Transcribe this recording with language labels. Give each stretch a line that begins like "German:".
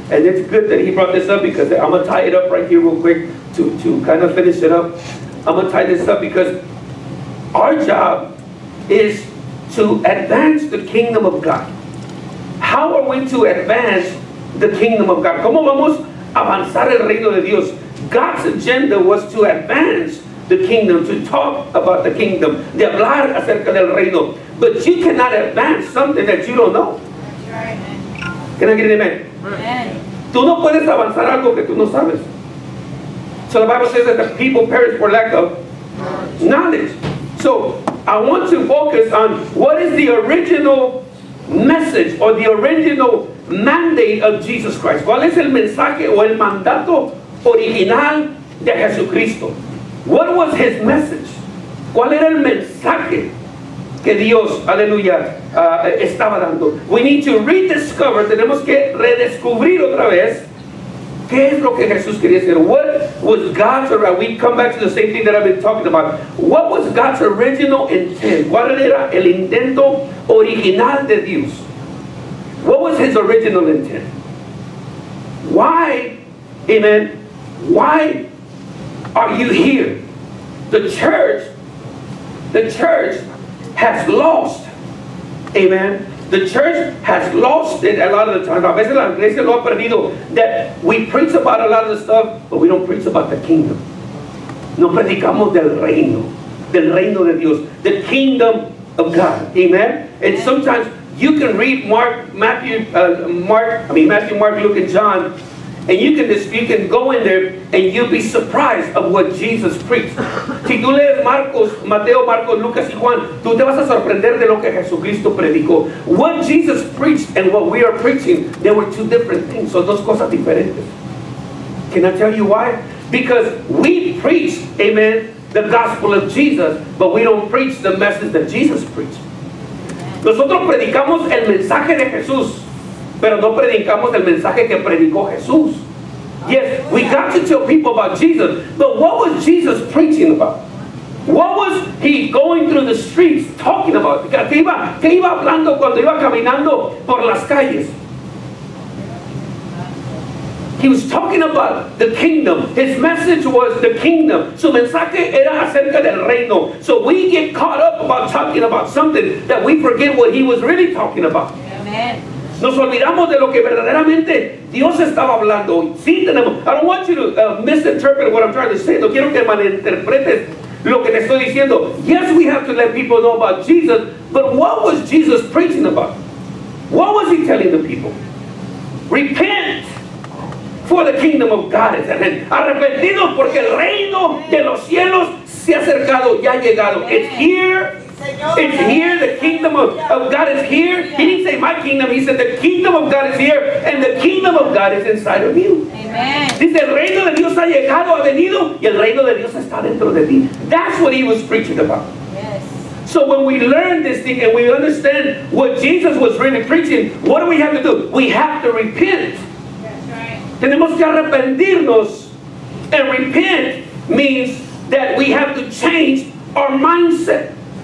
English: And it's good that he brought this up because I'm going to tie it up right here real quick to kind of finish it up. I'm going to tie this up because our job is to advance the kingdom of God? How are we to advance the kingdom of God?
Spanish: ¿Cómo vamos a avanzar el reino de Dios?
English: God's agenda was to advance the kingdom, to talk about the kingdom,
Spanish: de hablar acerca del reino.
English: But you cannot advance something that you don't know. That's right. Can I get an amen? Amen.
Spanish: Tú no puedes avanzar algo que tú no sabes.
English: So the Bible says that the people perish for lack of knowledge. So I want to focus on what is the original message or the original mandate of Jesus Christ.
Spanish: ¿Cuál es el mensaje o el mandato original de Jesucristo?
English: What was his message?
Spanish: ¿Cuál era el mensaje que Dios, aleluya, estaba dando?
English: We need to rediscover,
Spanish: tenemos que redescubrir otra vez, ¿qué es lo que Jesús quería decir? What was God's, we come back to the same thing that I've been talking about.
English: What was God's original intent?
Spanish: ¿Cuál era el intento original de Dios?
English: What was his original intent? Why, amen, why are you here? The church has lost, amen. The church has lost it a lot of the time.
Spanish: A veces la iglesia lo ha perdido.
English: That we preach about a lot of the stuff, but we don't preach about the kingdom.
Spanish: No predicamos del reino de Dios,
English: the kingdom of God, amen. And sometimes you can read Matthew, Mark, Luke, and John. And you can go in there and you'll be surprised of what Jesus preached.
Spanish: Si tú lees Marcos, Mateo, Marcos, Lucas y Juan, tú te vas a sorprender de lo que Jesucristo predicó.
English: What Jesus preached and what we are preaching, they were two different things.
Spanish: Son dos cosas diferentes.
English: Can I tell you why? Because we preach, amen, the gospel of Jesus, but we don't preach the message that Jesus preached.
Spanish: Nosotros predicamos el mensaje de Jesús, pero no predicamos el mensaje que predicó Jesús.
English: Yes, we got to tell people about Jesus, but what was Jesus preaching about? What was he going through the streets talking about?
Spanish: ¿Qué iba hablando cuando iba caminando por las calles?
English: He was talking about the kingdom. His message was the kingdom.
Spanish: Su mensaje era acerca del reino.
English: So we get caught up about talking about something that we forget what he was really talking about. Amen.
Spanish: Nos olvidamos de lo que verdaderamente Dios estaba hablando. Sí, tenemos.
English: I don't want you to misinterpret what I'm trying to say.
Spanish: No quiero que malinterpretes lo que te estoy diciendo.
English: Yes, we have to let people know about Jesus, but what was Jesus preaching about? What was he telling the people? Repent, for the kingdom of God is at hand.
Spanish: Arrepentidos porque el reino de los cielos se ha acercado, ya ha llegado.
English: It's here. It's here, the kingdom of God is here. He didn't say my kingdom, he said the kingdom of God is here, and the kingdom of God is inside of you. Amen.
Spanish: Dice, el reino de Dios ha llegado, ha venido, y el reino de Dios está dentro de ti.
English: That's what he was preaching about. Yes. So when we learn this thing and we understand what Jesus was really preaching, what do we have to do? We have to repent. That's right.
Spanish: Tenemos que arrepentirnos.
English: And repent means that we have to change our mindset.